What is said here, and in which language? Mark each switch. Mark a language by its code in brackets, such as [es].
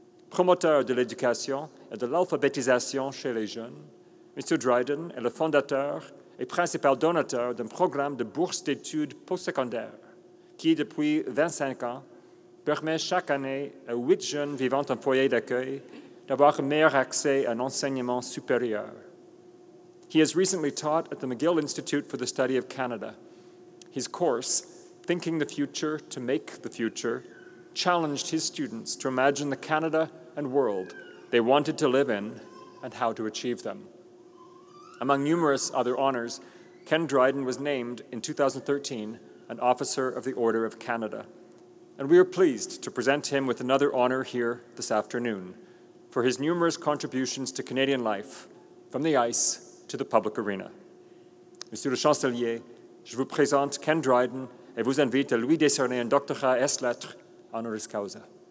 [fr] Promoteur de l'éducation et de l'alphabétisation chez les jeunes, Mr. Dryden est le fondateur et principal donateur d'un programme de bourse d'études postsecondaires qui, depuis 25 ans, permet chaque année à 8 jeunes vivant en foyer d'accueil d'avoir un meilleur accès à un enseignement supérieur. [en] He has recently taught at the McGill Institute for the Study of Canada. His course, Thinking the Future to Make the Future, challenged his students to imagine the Canada and world they wanted to live in and how to achieve them. Among numerous other honors, Ken Dryden was named in 2013 an Officer of the Order of Canada. And we are pleased to present him with another honor here this afternoon for his numerous contributions to Canadian life, from the ice to the public arena. [fr] Monsieur le Chancelier, je vous présente Ken Dryden et vous invite à lui décerner un doctorat ès lettres honoris causa.